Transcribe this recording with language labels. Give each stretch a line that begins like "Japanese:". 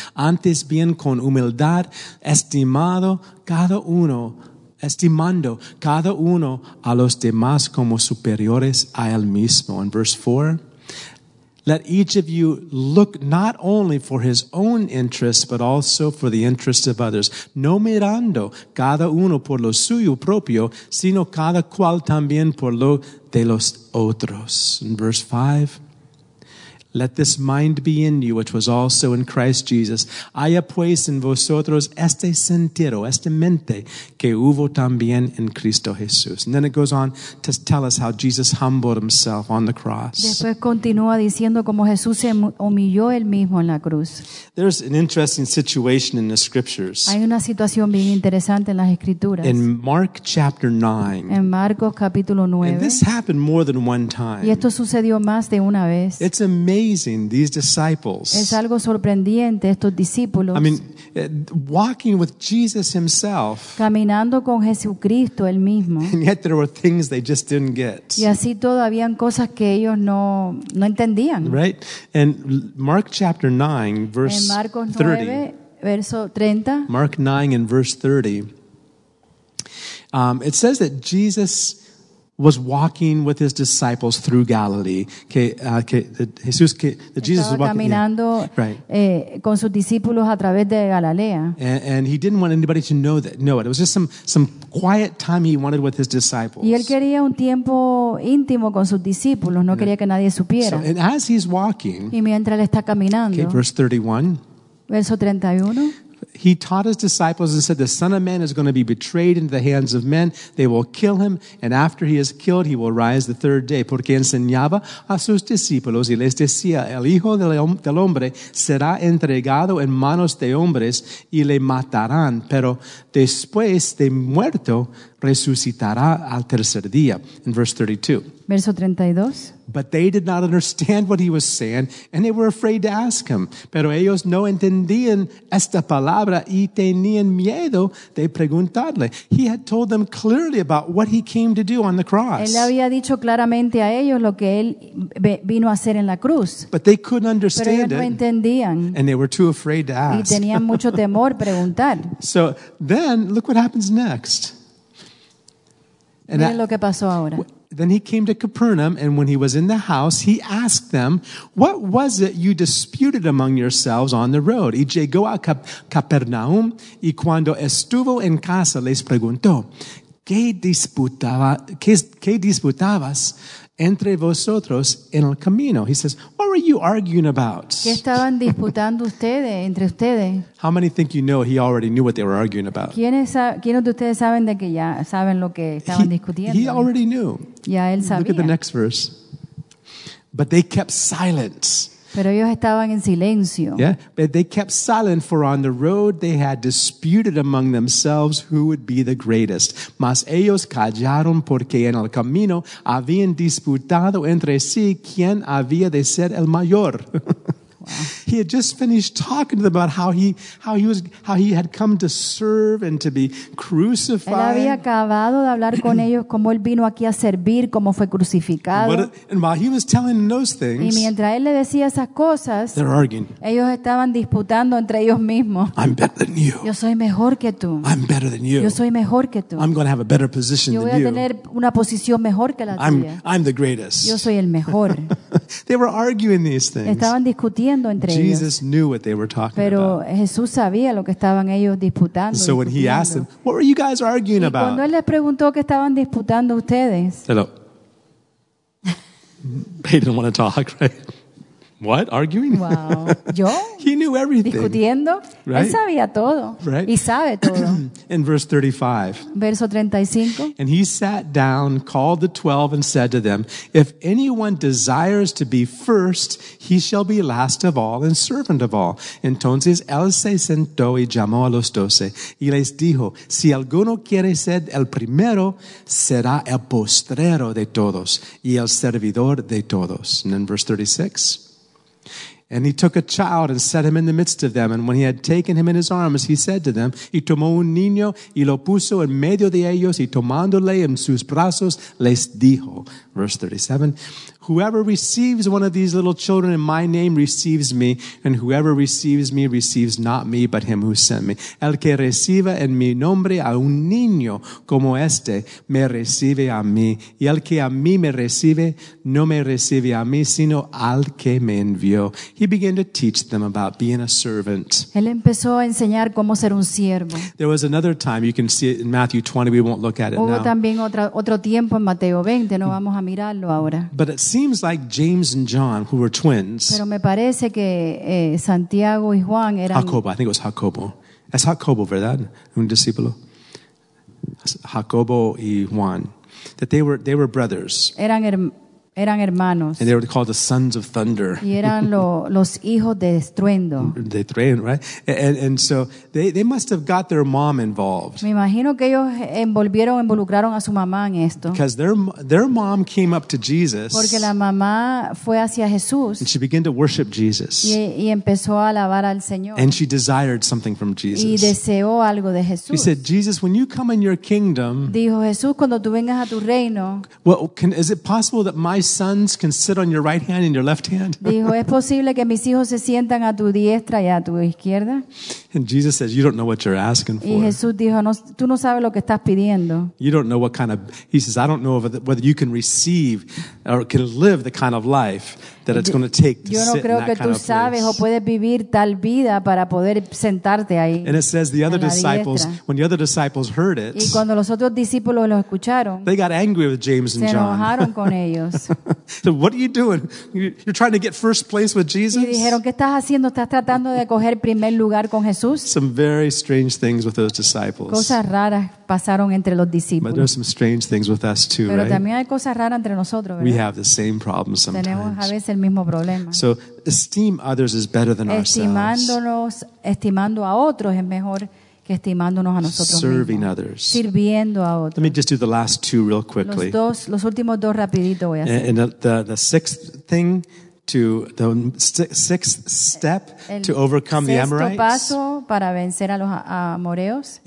Spanish: Antes bien con humildad, estimando cada uno a los demás como superiores a él mismo.
English: In verse 4, let each of you look not only for his own interests, but also for the interests of others.
Spanish: No mirando cada uno por lo suyo propio, sino cada cual también por lo de los otros.
English: In verse 5, let this mind be in you, which was also in Christ Jesus.
Spanish: Haya pues en vosotros este sentido, este mente, que hubo también en Cristo Jesús.
English: And then it goes on to tell us how Jesus humbled himself on the cross.
Spanish: Después continúa diciendo cómo Jesús se humilló él mismo en la cruz.
English: There's an interesting situation in the scriptures.
Spanish: Hay una situación bien interesante en las escrituras.
English: In Mark chapter 9.
Spanish: En Marcos capítulo 9.
English: And this happened more than one time.
Spanish: Y esto sucedió más de una vez.
English: It's amazing, these disciples.
Spanish: Es algo sorprendente estos discípulos.
English: I mean, walking with Jesus himself.
Spanish: Caminando con Jesucristo él mismo.
English: And yet there were things they just didn't get.
Spanish: Y así todavía habían cosas que ellos no entendían.
English: Right? And Mark chapter 9 verse
Spanish: 30. En Marcos 9 verso 30.
English: Mark 9 and verse 30. It says that Jesus was walking with his disciples through Galilee.
Spanish: Con sus discípulos a través de Galilea.
English: And he didn't want anybody to know it. It was just some quiet time he wanted with his disciples.
Spanish: Y él quería un tiempo íntimo con sus discípulos. No quería que nadie supiera.
English: So, and as he's walking.
Spanish: Y mientras él está caminando.
English: Okay, verse 31.
Spanish: Verso 31.
English: He taught his disciples and said, the Son of Man is going to be betrayed into the hands of men. They will kill him, and after he is killed, he will rise the third day.
Spanish: Porque enseñaba a sus discípulos y les decía, el Hijo del Hombre será entregado en manos de hombres y le matarán, pero después de muerto resucitará al tercer día.
English: In verse 32.
Spanish: Verso 32.
English: But they did not understand what he was saying, and they were afraid to ask him.
Spanish: Pero ellos no entendían esta palabra y tenían miedo de preguntarle.
English: He had told them clearly about what he came to do on the cross.
Spanish: Él había dicho claramente a ellos lo que él vino a hacer en la cruz.
English: But they couldn't understand
Spanish: it. Pero ellos no entendían.
English: And they were too afraid to ask.
Spanish: Y tenían mucho temor preguntar.
English: So then, look what happens next.
Spanish: And miren lo que pasó ahora.
English: Then he came to Capernaum, and when he was in the house, he asked them, what was it you disputed among yourselves on the road?
Spanish: Y llegó a Capernaum, y cuando estuvo en casa, les preguntó, ¿Qué disputabas entre vosotros en el camino?
English: He says, what were you arguing about?
Spanish: ¿Qué estaban disputando ustedes entre ustedes?
English: How many think you know he already knew what they were arguing about?
Spanish: ¿Quiénes de ustedes saben de que ya saben lo que estaban discutiendo?
English: He already knew.
Spanish: Ya él sabía.
English: Look at the next verse. But they kept silent.
Spanish: Pero ellos estaban en silencio.
English: Yeah, but they kept silent, for on the road they had disputed among themselves who would be the greatest.
Spanish: Mas ellos callaron porque en el camino habían disputado entre sí quién había de ser el mayor. Wow.
English: he had just finished talking to them about how he had come to serve and to be crucified.
Spanish: Él había acabado de hablar con ellos cómo él vino aquí a servir, cómo fue crucificado.
English: And while he was telling them those things,
Spanish: y mientras él le decía esas cosas,
English: they're arguing.
Spanish: Ellos estaban disputando entre ellos mismos.
English: I'm better than you.
Spanish: Yo soy mejor que tú.
English: I'm better than you.
Spanish: Yo soy mejor que tú.
English: I'm going to have a better position than you.
Spanish: Yo voy a tener una posición mejor que la tuya.
English: I'm the greatest.
Spanish: Yo soy el mejor.
English: They were arguing these things.
Spanish: Estaban discutiendo entre
English: Jesus Jesus knew what they were talking
Spanish: Pero
English: about.
Spanish: Pero Jesús sabía lo que estaban ellos disputando.
English: So when he asked them, "What were you guys arguing about?"
Spanish: Cuando él les preguntó qué estaban disputando ustedes.
English: Hello. They didn't want to talk, right? What? Arguing?
Spanish: Wow. ¿Yo?
English: He knew everything.
Spanish: ¿Discutiendo?
English: Right?
Spanish: Él sabía todo.
English: Right?
Spanish: Y sabe todo.
English: In verse 35.
Spanish: Verso 35.
English: And he sat down, called the 12, and said to them, "If anyone desires to be first, he shall be last of all and servant of all."
Spanish: Entonces, él se sentó y llamó a los 12, y les dijo, "Si alguno quiere ser el primero, será el postrero de todos, y el servidor de todos."
English: And then verse 36. And he took a child and set him in the midst of them. And when he had taken him in his arms, he said to them,
Spanish: "Y tomó un niño y lo puso en medio de ellos, y tomándole en sus brazos, les dijo."
English: Verse 37, "Whoever receives one of these little children in my name receives me, and whoever receives me receives not me, but him who sent me.
Spanish: El que reciba en mi nombre a un niño como este me recibe a mí, y el que a mí me recibe no me recibe a mí, sino al que me envió."
English: He began to teach them about being a servant.
Spanish: Él empezó a enseñar cómo ser un siervo.
English: There was another time, you can see it in Matthew 20, we won't look at it
Spanish: Hubo
English: now.
Spanish: Hubo también otro tiempo en Mateo 20, no vamos a mirarlo ahora.
English: But it seems like James and John, who were twins.
Spanish: Pero me parece que Santiago y Juan eran... Jacobo,
English: I think it was Jacobo.
Spanish: Es Jacobo, ¿verdad? Un discípulo. Jacobo y Juan.
English: That they were brothers.
Spanish: Eran hermanos.
English: And they were called the sons of thunder.
Spanish: Y eran los hijos de estruendo. De trueno, right?
English: And so they must have got their mom involved.
Spanish: Me imagino que ellos involucraron a su mamá en esto.
English: Because their mom came up to Jesus.
Spanish: Porque la mamá fue hacia Jesús.
English: And she began to worship Jesus.
Spanish: Y empezó a alabar al Señor.
English: And she desired something from Jesus.
Spanish: Y deseó algo de Jesús.
English: He said, "Jesus, when you come in your kingdom."
Spanish: Dijo Jesús, cuando tú vengas a tu reino.
English: Well, is it possible that my sons can sit on your right hand and your left hand?
Spanish: Dijo, ¿es posible que mis hijos se sientan a tu diestra y a tu izquierda?
English: And Jesus says, "You don't know what you're asking for."
Spanish: Y Jesús dijo, no, tú no sabes lo que estás pidiendo.
English: You don't know what kind of. He says, "I don't know whether you can receive or can live the kind of life that it's going to take to
Spanish: Yo no
English: sit
Spanish: creo
English: in that
Spanish: que
English: kind
Spanish: tú
English: of place."
Spanish: Sabes o puedes vivir tal vida para poder sentarte ahí.
English: And it says the other disciples,
Spanish: diestra.
English: When the other disciples heard it,
Spanish: y cuando los otros discípulos lo escucharon,
English: they got angry with James and
Spanish: se Se enojaron con ellos.
English: So what are you doing? You're trying to get first place with Jesus?
Spanish: Y dijeron, ¿qué estás haciendo? ¿Estás tratando de coger primer lugar con Jesús?
English: Some very strange things with those disciples.
Spanish: Cosas raras pasaron entre los discípulos.
English: But there's some strange things with us too,
Spanish: Pero
English: right?
Spanish: también hay cosas raras entre nosotros, ¿verdad?
English: We have the same problems sometimes.
Spanish: Tenemos a veces el mismo problema.
English: So esteem others is better than ourselves.
Spanish: Estimando a otros es mejor que estimándonos a nosotros
English: Serving
Spanish: mismos.
English: Others.
Spanish: Sirviendo a otros.
English: Let me just do the last two real quickly.
Spanish: Los últimos dos rapidito voy a hacer.
English: And the sixth thing to the sixth step to overcome the Amorites.
Spanish: El sexto paso para vencer a los amoreos